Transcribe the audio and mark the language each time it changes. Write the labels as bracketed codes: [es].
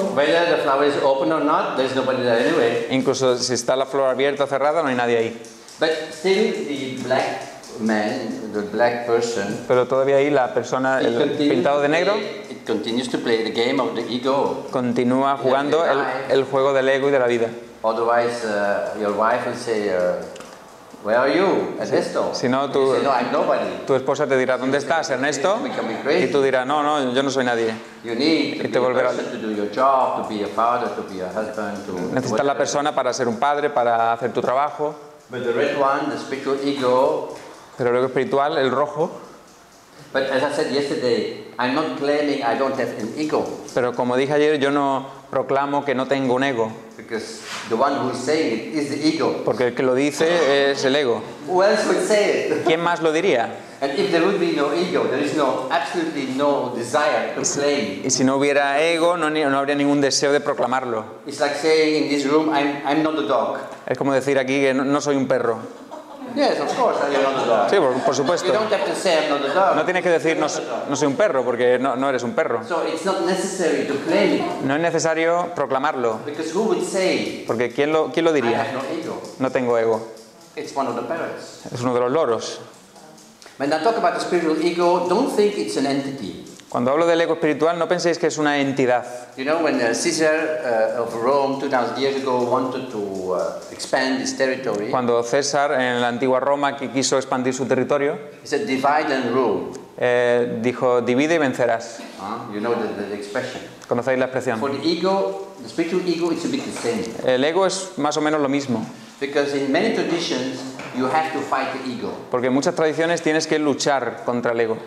[en] Whether the flower is open or not, there's nobody there anyway. [es] Incluso si está la flor abierta o cerrada, no hay nadie ahí. [en] But still, the black man, the black person. [es] Pero todavía ahí la persona pintado de negro. [en] It continues to play the game of the ego. [es] Continúa jugando el juego del ego y de la vida. [en] Otherwise, your wife will say. Where are you, Ernesto? [es] Si no, tu esposa te dirá, ¿dónde estás, Ernesto? Y tú dirás, no, yo no soy nadie. [en] You need to be a person to do your job, to be a father, to be a husband, to. [es] Necesitas la persona para ser un padre, para hacer tu trabajo. [en] But the red one, the spiritual ego. [es] Pero luego espiritual, el rojo. [en] But as I said yesterday, I'm not claiming I don't have an ego. [es] Pero como dije ayer, yo no proclamo que no tengo un ego. [en] Because the one who is saying it is the ego. [es] Porque el que lo dice es el ego. [en] Who else would say it? [es] ¿Quién más lo diría? [en] And if there would be no ego, there is no absolutely no desire to claim. [es] Y si no hubiera ego, no habría ningún deseo de proclamarlo. [en] It's like saying in this room, I'm not a dog. [es] Es como decir aquí que no soy un perro. [en] Yes, of course, I'm not a dog. [es] Sí, por supuesto. [en] You don't have to say I'm not a dog. [es] No tienes que decir no soy un perro porque no eres un perro. [en] So it's not necessary to claim it. [es] No es necesario proclamarlo. [en] Because who would say? [es] Porque quién lo diría. [en] I have no ego. [es] No tengo ego. [en] It's one of the parrots. [es] Es uno de los loros. [en] When I talk about the spiritual ego, don't think it's an entity. [es] Cuando hablo del ego espiritual, no penséis que es una entidad. [en] You know, when Caesar of Rome 2000 years ago wanted to expand his territory. [es] Cuando César en la antigua Roma quiso expandir su territorio. [en] He said, "Divide and rule." [es] Dijo, divide y vencerás. [en] You know the expression. [es] ¿Conocéis la expresión? [en] For the ego, the spiritual ego, it's a bit the same. [es] El ego es más o menos lo mismo. [en] Because in many traditions, you have to fight the ego. [es] Porque en muchas tradiciones tienes que luchar contra el ego.